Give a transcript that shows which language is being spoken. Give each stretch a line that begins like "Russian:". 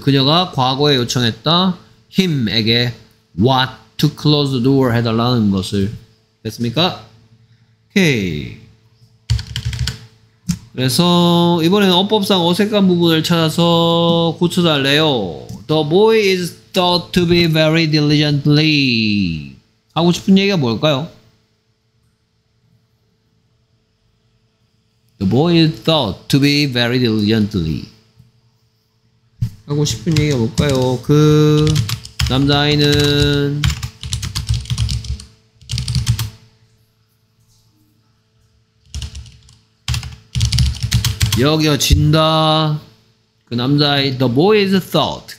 Korean: 그녀가 과거에 요청했다.
English: Him에게 what to close the door
Korean: 해달라는 것을. 됐습니까?
English: Okay.
Korean: 그래서 이번에는 어법상 어색한 부분을 찾아서 고쳐달래요.
English: The boy is thought to be very diligently.
Korean: 하고 싶은 얘기가 뭘까요?
English: The boy is thought to be very diligently.
Korean: 하고 싶은 얘기가 뭘까요? 그 남자아이는 여겨진다. 그 남자아이,
English: the boy is thought.